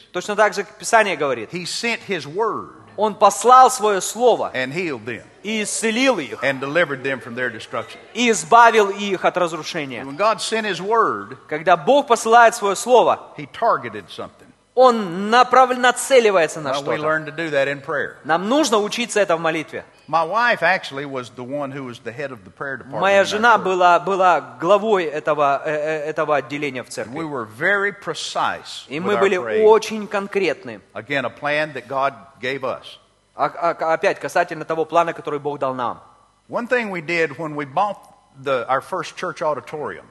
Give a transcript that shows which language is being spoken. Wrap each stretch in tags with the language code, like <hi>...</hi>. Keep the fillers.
<ru>Точно так же Писание говорит. Он послал свое слово и исцелил их и избавил их от разрушения. Когда Бог посылает свое слово, Он направ... нацеливается на что-то. Нам нужно учиться это в молитве.</ru> <en>My wife actually was the one who was the head of the prayer department.</en> <ru>Моя жена была была главой этого этого отделения в церкви.</ru> <en>We were very precise.</en> <ru>И мы были очень конкретны.</ru> <en>Again, a plan that God gave us.</en> <ru>Опять касательно того плана, который Бог дал нам.</ru> <en>One thing we did when we bought the our first church auditorium.</en>